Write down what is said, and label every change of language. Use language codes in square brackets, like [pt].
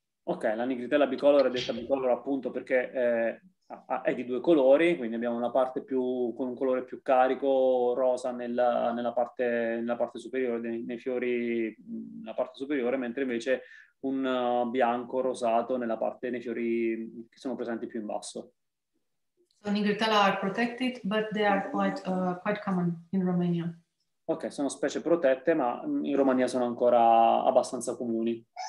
[it] Ok, la Nigritella bicolor è detta bicolor appunto perché è di due colori, quindi abbiamo una parte più con un colore più carico, rosa nella parte superiore, nei fiori, nella parte superiore, mentre invece un bianco rosato nella parte, nei fiori che sono presenti più in basso. [en] Nigritella are protected, but they are quite common in Romania. [it] Ok, sono specie protette, ma in Romania sono ancora abbastanza comuni.